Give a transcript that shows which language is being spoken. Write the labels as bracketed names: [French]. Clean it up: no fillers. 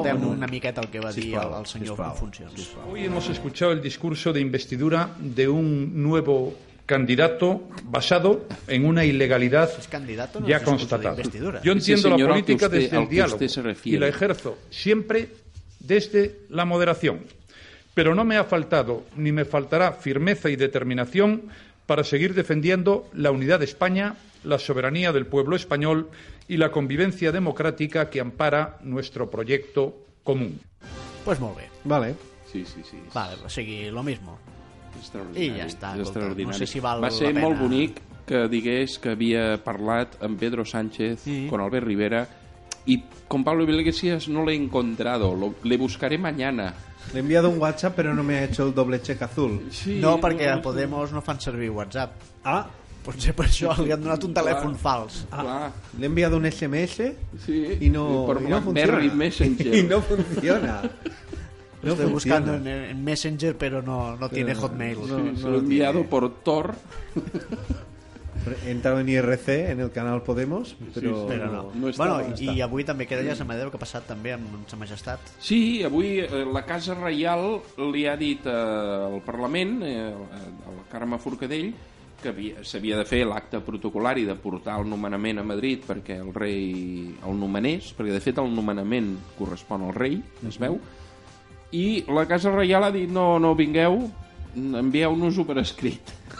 [Catalan] Una miqueta el que va dir el senyor en funcions. [Spanish] Hoy hemos escuchado el discurso de investidura de un nuevo candidato basado en una ilegalidad ya constatada. Yo entiendo la política desde el diálogo y la ejerzo siempre desde la moderación. Pero no me ha faltado ni me faltará firmeza y determinación para seguir defendiendo la unidad de España, la soberanía del pueblo español y la convivencia democrática que ampara nuestro proyecto común. Pues muy bien. Vale. Sí. Vale, pues seguir lo mismo. [Catalan] Extraordinari. I ja està. Extraordinari. No sé si val la pena. Va ser molt bonic que digués que havia parlat amb Pedro Sánchez, con Albert Rivera, [Spanish] y con Pablo Iglesias no lo he encontrado, le buscaré mañana. Le he enviado un WhatsApp, pero no me ha hecho el doble check azul. [Catalan] Sí, no, perquè a Podemos no fan servir WhatsApp. Ah, potser per això li han donat un telèfon clar, fals. Ah, l'he enviat un SMS, sí, i no, i no funciona. Messenger. I no funciona. [Spanish] No estoy buscando en Messenger, pero no, no tiene Hotmail. No, sí, no, se lo he enviado por Tor. He entrado en IRC, en el canal Podemos, pero, sí, sí, pero no. No está, bueno, [Catalan] i avui també queda ja Sa Majestat, que ha passat també amb Sa Majestat. Sí, avui la Casa Reial li ha dit al Parlament, al Carme Forcadell, que s'havia de fer l'acte protocolari de portar el nomenament a Madrid perquè el rei el nomenés, perquè de fet el nomenament correspon al rei, es veu, i la Casa Reial ha dit no, no vingueu, envieu-nos-ho per escrit.